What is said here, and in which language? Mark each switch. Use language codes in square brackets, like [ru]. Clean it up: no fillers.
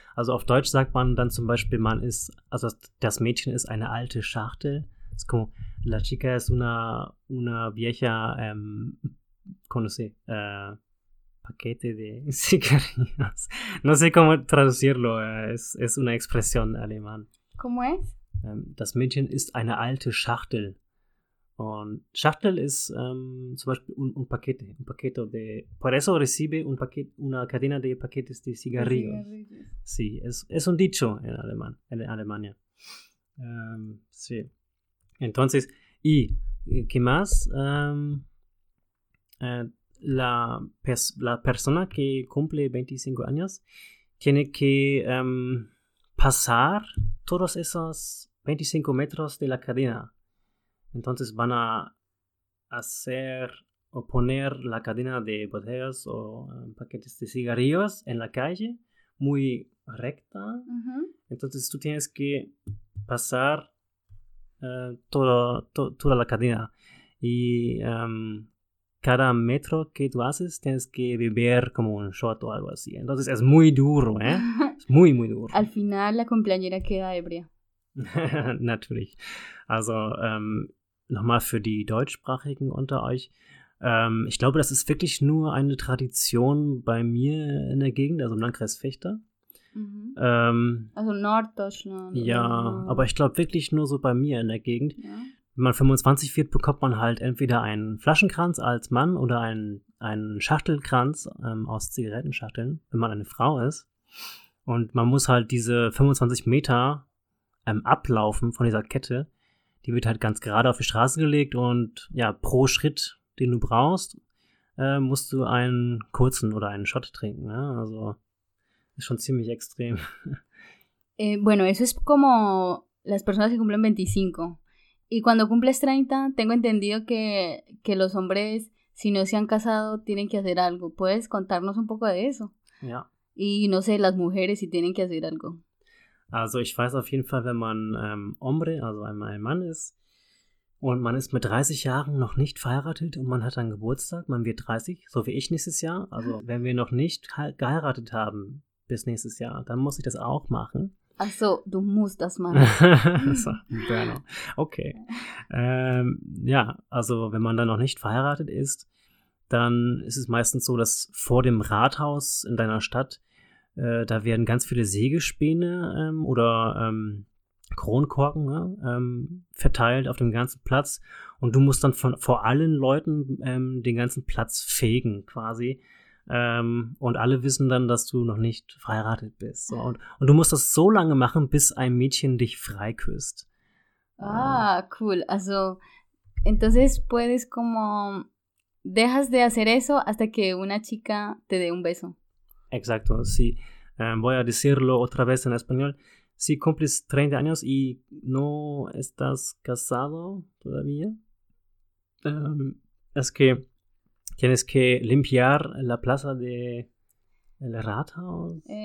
[de] Also auf Deutsch sagt man dann zum Beispiel, man ist, also das Mädchen ist eine alte Schachtel. [es] Es como, la chica es una vieja, ¿cómo se? Paquete de cigarrillos. No sé cómo traducirlo, es una expresión alemán. ¿Cómo es? [de] Das Mädchen ist eine alte Schachtel. Und Schachtel ist zum Beispiel [es] un paquete de, por eso recibe un paquete, una cadena de paquetes de cigarrillos. Sí, es un dicho en alemán, en Alemania. Sí. Entonces, ¿y qué más? La persona que cumple 25 años tiene que pasar todos esos 25 metros de la cadena. Entonces van a hacer o poner la cadena de botellas o paquetes de cigarrillos en la calle, muy recta. Uh-huh. Entonces tú tienes que pasar toda la cadena y cada metro que tú haces tienes que beber como un shot o algo así, entonces es muy duro, ¿eh? Es muy muy duro. Al final la cumpleañera queda ebria. [de] Natürlich. Also nochmal für die Deutschsprachigen unter euch, ich glaube, das ist wirklich nur eine Tradition bei mir in der Gegend, also im Landkreis Vechta. Mhm. Also Norddeutschland. Ja, aber ich glaube wirklich nur so bei mir in der Gegend. Ja. Wenn man 25 wird, bekommt man halt entweder einen Flaschenkranz als Mann oder einen Schachtelkranz aus Zigarettenschachteln, wenn man eine Frau ist. Und man muss halt diese 25 Meter ablaufen von dieser Kette. Die wird halt ganz gerade auf die Straße gelegt und ja, pro Schritt, den du brauchst, musst du einen kurzen oder einen Shot trinken. Ja? Also es ist schon ziemlich extrem. [es] Bueno, eso es como las personas que cumplen 25. Y cuando cumples 30, tengo entendido que los hombres, si no se han casado, tienen que hacer algo. ¿Puedes contarnos un poco de eso? [de] Ja. [es] Y no sé, las mujeres, si tienen que hacer algo. [de] Also, ich weiß auf jeden Fall, wenn man hombre, also ein Mann ist, Und man ist mit 30 Jahren noch nicht verheiratet und man hat dann Geburtstag, man wird 30, so wie ich nächstes Jahr. Also wenn wir noch nicht geheiratet haben bis nächstes Jahr, dann muss ich das auch machen. Ach so, du musst das machen. So, genau. Okay. Ja, also wenn man dann noch nicht verheiratet ist, dann ist es meistens so, dass vor dem Rathaus in deiner Stadt, da werden ganz viele Sägespäne oder Kronkorken verteilt auf dem ganzen Platz und du musst dann vor allen Leuten den ganzen Platz fegen quasi und alle wissen dann, dass du noch nicht verheiratet bist. So, und du musst das so lange machen, bis ein Mädchen dich freiküsst. Ah, cool. [es] Also, entonces puedes como dejas de hacer eso hasta que una chica te dé un beso. Exacto, sí. Voy a decirlo otra vez en español. Si cumples 30 años y no estás casado todavía, es que tienes que limpiar la plaza del Rathaus.